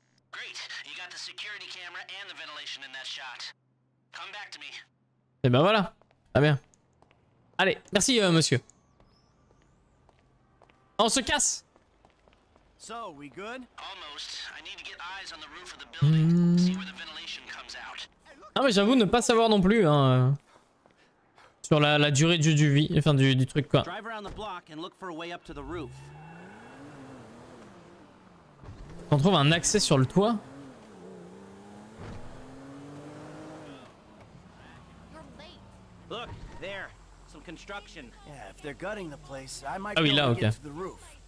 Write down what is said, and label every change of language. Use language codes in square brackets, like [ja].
[en] Great, you got the security camera and the ventilation in that shot. Come back to me. [fr] Et ben voilà, très bien. Allez, merci monsieur. On se casse. [en] So, we good? Almost. I need to get eyes on the roof of the building. See where the ventilation comes out. [fr] Ah mais j'avoue ne pas savoir non plus, hein, sur la durée du vie, enfin du truc quoi. [en] Drive around the block and look for a way up to the roof. [fr] On trouve un accès sur le toit. [en] Look there. Some construction. Yeah, if they're gutting the place, I might be able to get to the roof.